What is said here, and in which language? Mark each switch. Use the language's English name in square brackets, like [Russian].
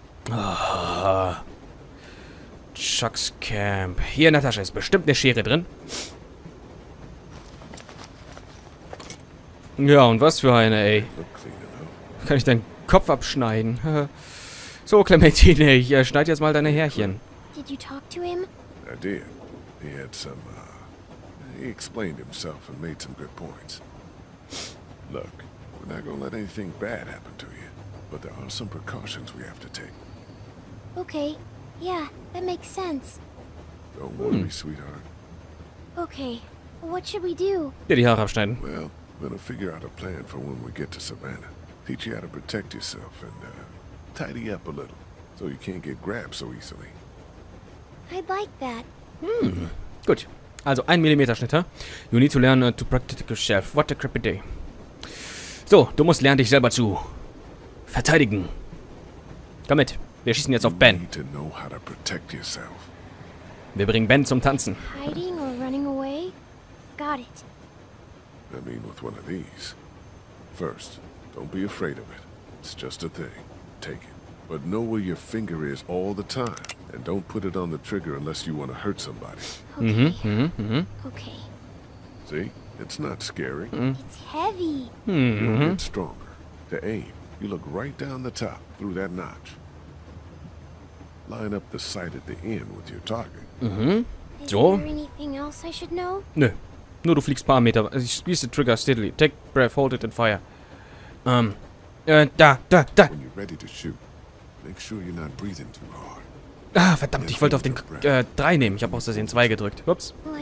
[English] Oh. Chuck's Camp. [German] Hier in der Tasche ist bestimmt eine Schere drin. Ja, und was für eine, ey. Kann ich deinen Kopf abschneiden? So, Clementine, ich schneide jetzt mal deine Härchen. [English] Did you talk to him? I did. He had some, he explained himself and made some good points. Look, we're not gonna let anything bad happen to you, but there are some precautions we have to take. Okay, yeah, that makes sense. Don't worry, sweetheart. Okay, what should we do? [German] Ja, die Haare abschneiden. [English] Well, we're gonna figure out a plan for when we get to Savannah. Teach you how to protect yourself and, tidy up a little, so you can't get grabbed so easily. I'd like that. [German] Hmm. Gut. Also, 1 mm Schnitter. [English] You need to learn to practice yourself. What a crappy day. [German] So, du musst lernen, dich selber zu verteidigen. Komm mit. Wir schießen jetzt auf Ben. [English] You need to know how to protect yourself. [German] Wir bringen Ben zum Tanzen. [English] Hiding or running away? Got it. I mean with one of these. First, don't be afraid of it. It's just a thing. Take it. But know where your finger is all the time. And don't put it on the trigger unless you want to hurt somebody. Okay. Mm-hmm, mm-hmm. Okay. See? It's not scary. Mm. It's heavy. Mm-hmm. You'll get stronger. To aim, you look right down the top, through that notch. Line up the sight at the end with your target. Mm-hmm. Is there anything else I should know? [German] Nö. Nur du fliegst paar Meter. Ich [English] squeeze the trigger steadily. Take breath, hold it and fire. [German] Da. [English] When you're ready to shoot, make sure you're not breathing too hard. [German] Ah, verdammt, ich wollte auf den 3 nehmen. Ich habe aus Versehen 2 gedrückt. Ups.